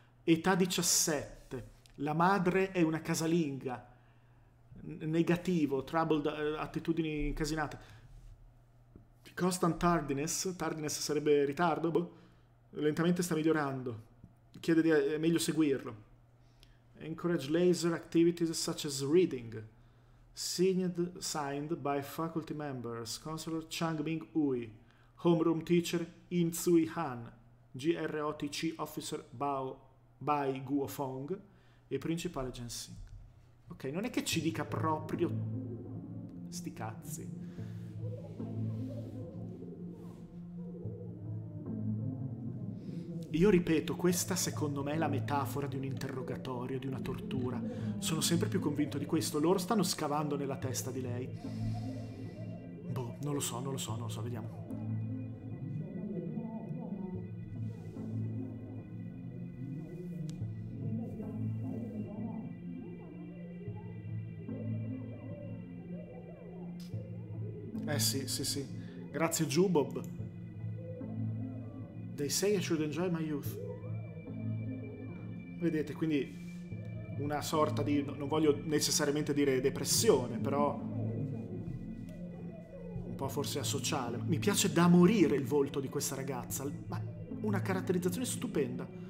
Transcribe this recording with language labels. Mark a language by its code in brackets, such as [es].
[it] Età 17. La madre è una casalinga. Negativo, troubled, attitudini incasinate. [en] Constant tardiness. [it] Tardiness sarebbe ritardo, boh. Lentamente sta migliorando. Chiede di... è meglio seguirlo. [en] Encourage laser activities such as reading. Signed by faculty members. Counselor Changming Ui. Homeroom teacher In Tsui Han, GROTC officer Bai Guo Fong [it] e principale [en] Jensen. [it] Ok, non è che ci dica proprio sti cazzi. Io ripeto, questa secondo me è la metafora di un interrogatorio, di una tortura. Sono sempre più convinto di questo. Loro stanno scavando nella testa di lei. Boh, non lo so, vediamo. Sì. Grazie, Jubob. [en] They say I should enjoy my youth. [it] Vedete, quindi una sorta di... non voglio necessariamente dire depressione, però... un po' forse asociale. Mi piace da morire il volto di questa ragazza. Ma una caratterizzazione stupenda.